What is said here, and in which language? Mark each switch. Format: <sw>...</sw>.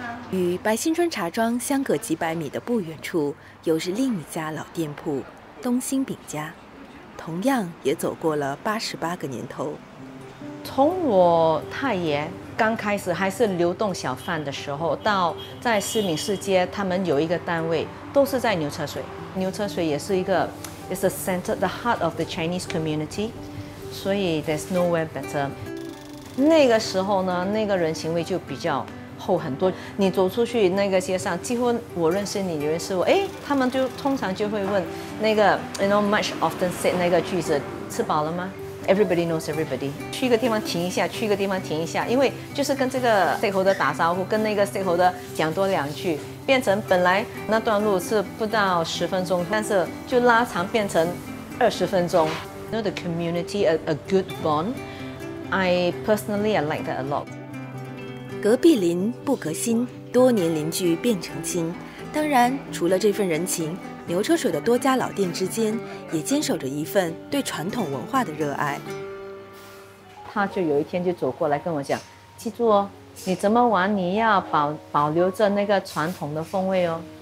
<zh>与白新春茶庄相隔几百米的不远处，又是另一家老店铺——东兴饼家，同样也走过了88个年头。从我太爷刚开始还是流动小贩的时候，到在市民市街，他们有一个单位，都是在牛车水。牛车水也是一个</zh> <en>，it's a center, the heart of the Chinese community,</en> <zh>所以</zh> <en>there's nowhere better。</en> <zh>那个时候呢，那个人情味就比较厚很多，你走出去那个街上，几乎我认识你，你认识我，哎，他们就通常就会问那个 ，</zh> <en>you know much often said</en> <zh>那个句子，吃饱了吗 ？</zh> <en>Everybody knows everybody。</en> <zh>去一个地方停一下，去一个地方停一下，因为就是跟这个 stakeholder 打招呼，跟那个 stakeholder 讲多两句，变成本来那段路是不到10分钟，但是就拉长变成20分钟。</zh> <en>You know the community a good bond. I personally I like that a lot.</en> <zh>隔壁邻不隔心，多年邻居变成亲。当然除了这份人情，牛车水的多家老店之间也坚守着一份对传统文化的热爱。他就有一天就走过来跟我讲，记住哦，你怎么玩你要保留着那个传统的风味哦。</zh>